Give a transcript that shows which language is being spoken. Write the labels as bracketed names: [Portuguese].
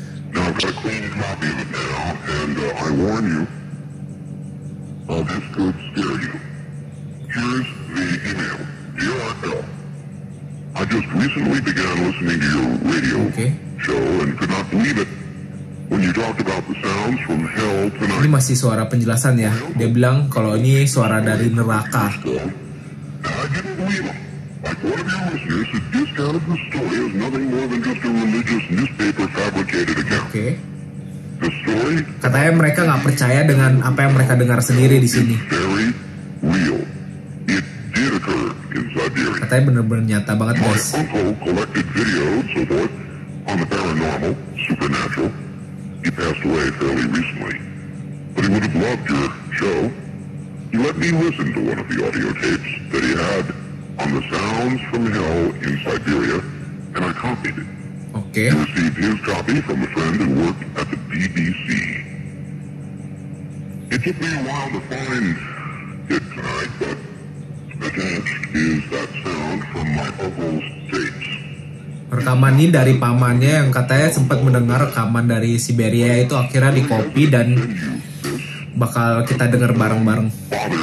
[English] Now, I cleaned my bin now, and I warn you, I'll just go scare you. Here's the email. Dear Artel, I just recently began listening to your radio show and could not believe it when you talked about the sounds from hell tonight. [Indonesian] Ini masih suara penjelasan ya. Dia bilang kalau ini suara dari neraka. [English] I didn't believe him. Like one of your listeners had discounted the story as nothing more than just a religious newspaper fabricated account. Okay. The story. [Indonesian] Katanya mereka nggak percaya dengan apa yang mereka dengar sendiri di sini. [English] Very real. It did occur in Siberia. [Indonesian] Katanya benar-benar nyata banget, guys. [English] My uncle collected videos of what on the paranormal, supernatural. He passed away fairly recently, but he would have loved your show. He let me listen to one of the audio tapes that he had on the sounds from hell in Siberia, and I copied it. Okay. He received his copy from a friend who worked at the BBC. It took me a while to find it tonight, but I can't use that sound from my uncle's tapes. [Indonesian] Rekaman ini dari pamannya yang katanya sempat mendengar rekaman dari Siberia itu akhirnya dikopi dan bakal kita dengar bareng-bareng.